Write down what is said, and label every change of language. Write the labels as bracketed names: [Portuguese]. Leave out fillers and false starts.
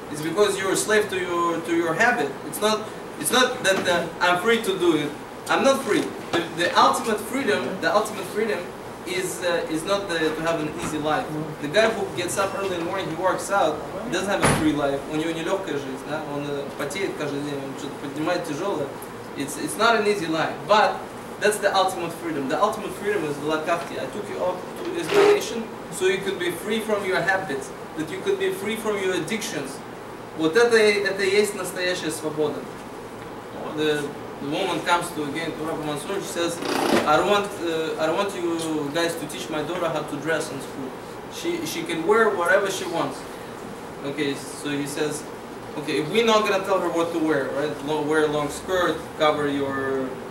[English] It's because you're a slave to your habit. It's not that I'm free to do it. I'm not free. The ultimate freedom. Is not to have an easy life. The guy who gets up early in the morning, he works out, he doesn't have a free life. [Russian] У него не легкая жизнь, да? Он потеет каждый день, он что-то поднимает тяжелое. [English] It's not an easy life, but that's the ultimate freedom. The ultimate freedom is v'lakachti. I took you up to this nation so you could be free from your habits, that you could be free from your addictions. [Russian] Вот это и есть настоящая свобода. [English] The woman comes to again to Rabbi Mansur. She says, "I want you guys to teach my daughter how to dress in school. She can wear whatever she wants." Okay, so he says, "Okay, if we're not gonna tell her what to wear, right? Wear a long skirt, cover your